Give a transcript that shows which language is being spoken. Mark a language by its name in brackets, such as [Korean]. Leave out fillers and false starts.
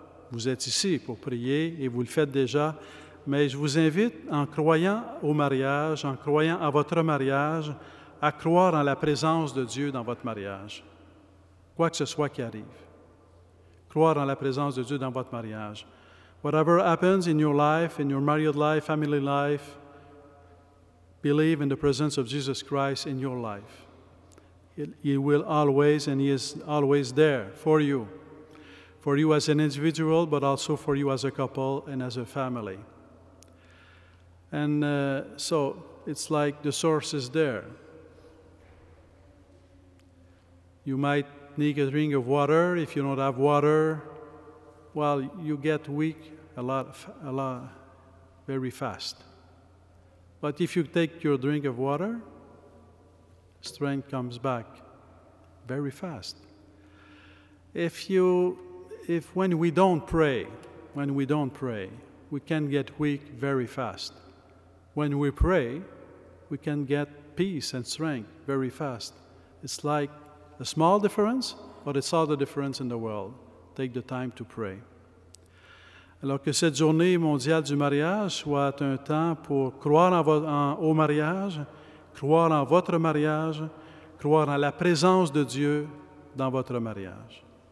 [French] Vous êtes ici pour prier et vous le faites déjà. Mais je vous invite, en croyant au mariage, en croyant à votre mariage, à croire en la présence de Dieu dans votre mariage, quoi que ce soit qui arrive. Croire en la présence de Dieu dans votre mariage. [English] Whatever happens in your life, in your married life, family life, believe in the presence of Jesus Christ in your life. He will always, and He is always there for you as an individual, but also for you as a couple and as a family. And so it's like the source is there. You might need a drink of water. If you don't have water, well, you get weak a lot, very fast. But if you take your drink of water, strength comes back very fast. When we don't pray, we can get weak very fast. When we pray, we can get peace and strength very fast. It's like a small difference, but it's all the difference in the world. Take the time to pray. [French] Alors que cette journée mondiale du mariage soit un temps pour croire au mariage, croire en votre mariage, croire en la présence de Dieu dans votre mariage.